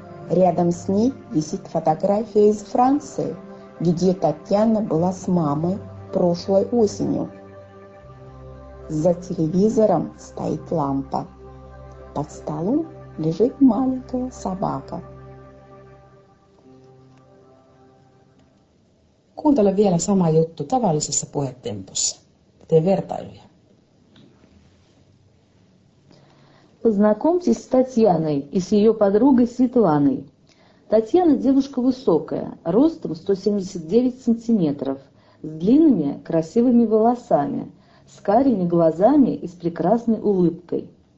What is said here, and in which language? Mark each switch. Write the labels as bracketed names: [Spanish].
[Russian] Рядом с ней висит фотография из Франции, где Татьяна была с мамой прошлой осенью. За телевизором стоит лампа. Под столом лежит маленькая собака. [Finnish] Kuuntele vielä sama juttu tavallisessa puhetempossa. Tee vertailuja. [Russian] Познакомьтесь с Татьяной и с ее подругой Светланой. Татьяна девушка высокая, ростом 179 сантиметров, с длинными красивыми волосами, с карими глазами и с прекрасной улыбкой.